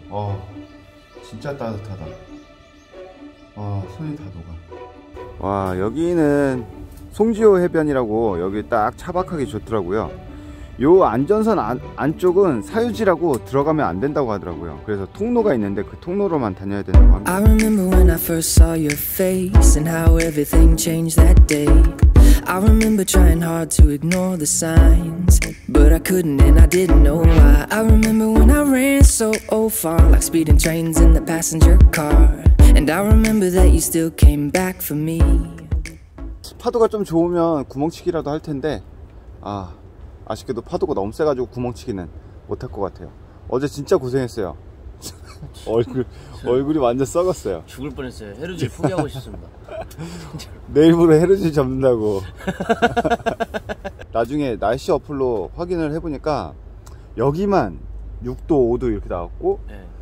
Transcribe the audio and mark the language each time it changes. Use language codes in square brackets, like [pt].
[ko] 와, 진짜 따뜻하다. 와, 손이 다 녹아. 와, 여기는 송지호 해변이라고 여기 딱 차박하기 좋더라고요. 요 안전선 안쪽은 사유지라고 들어가면 안 된다고 하더라고요. 그래서 통로가 있는데 그 통로로만 다녀야 된다고 합니다. [en] I remember when I first saw your face and how everything changed that day. I remember trying hard to ignore the signs, but I couldn't and I didn't know why. I remember when I ran so far, like speeding trains in the passenger car. And I remember that you still came back for me. [ko] 파도가 좀 좋으면 구멍치기라도 할 텐데, 아, 아쉽게도 파도가 너무 세가지고 구멍치기는 못할 것 같아요. 어제 진짜 고생했어요. 얼굴이 완전 썩었어요. 죽을 뻔했어요. 헤르질 포기하고 싶습니다. 내일부로 헤르질 접는다고. 나중에 날씨 어플로 확인을 해보니까 여기만 6도, 5도 이렇게 나왔고, 네.